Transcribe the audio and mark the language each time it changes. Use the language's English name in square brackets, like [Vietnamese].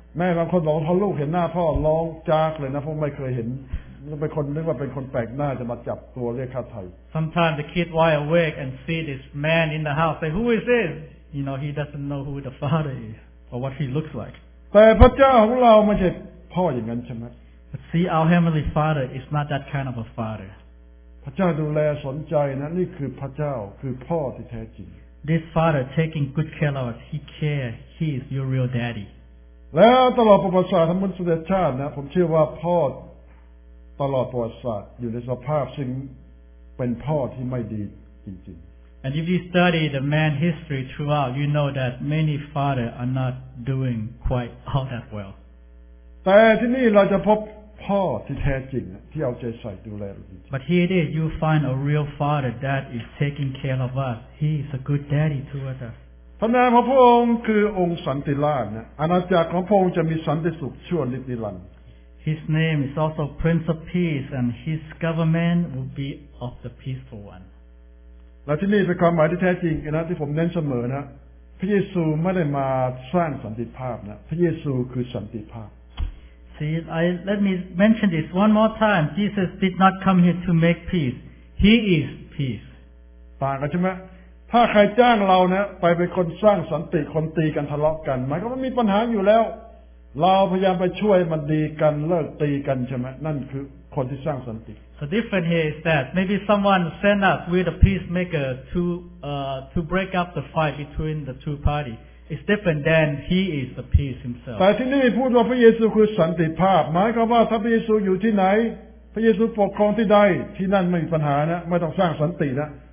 [Thai] แม่บางคนบอกพอลูกเห็นหน้าพ่อร้องจากเลยนะเพราะไม่เคยเห็นเป็นคนนึกว่าเป็นคนแปลกหน้าจะมาจับตัวเรียกค่าไถ่ [English] Sometimes the kid wide awake and see this man in the house say who is this you know he doesn't know who the father is or what he looks like [Thai] แต่พระเจ้าของเราไม่ใช่พ่ออย่างนั้นใช่ไหม [English] But see our heavenly father is not that kind of a father [Thai] พระเจ้าดูแลสนใจนะนี่คือพระเจ้าคือพ่อที่แท้จริง [English] This father taking good care of us, he cares, he is your real daddy. [Thai] แล้วตลอดประวัติศาสตร์ทั้งมนุษยชาตินะผมเชื่อว่าพ่อตลอดประวัติศาสตร์อยู่ในสภาพซึ่งเป็นพ่อที่ไม่ดีจริงๆ [English] And if you study the man history throughout, you know that many fathers are not doing quite all that well. But here it is, you find a real father that is taking care of us. He is a good daddy to us. [Thai] พระนามของพระองค์คือองค์สันติราชนะอาณาจักรของพระองค์จะมีสันติสุขชั่วนิรันดร์ [English] His name is also Prince of Peace and his government will be of the peaceful one [Thai] และที่นี่เป็นความหมายที่แท้จริงนะที่ผมเน้นเสมอนะพระเยซูไม่ได้มาสร้างสันติภาพนะพระเยซูคือสันติภาพ [English] See I let me mention this one more time Jesus did not come here to make peace he is peace [Thai] ต่างกันใช่ไหมถ้าใครจ้างเราเนี่ยไปเป็นคนสร้างสันติคนตีกันทะเลาะกันมันก็มีปัญหาอยู่แล้วเราพยายามไปช่วยมันดีกันเลิกตีกันใช่ไหมนั่นคือคนที่สร้างสันติ [English] The difference here is that maybe someone send us with a peacemaker to break up the fight between the two parties. It's different than he is the peace himself. [Thai] แต่ที่นี่พูดว่าพระเยซูคือสันติภาพหมายความว่าถ้าพระเยซูอยู่ที่ไหนพระเยซูปกครองที่ใดที่นั่นไม่มีปัญหานะไม่ต้องสร้างสันตินะ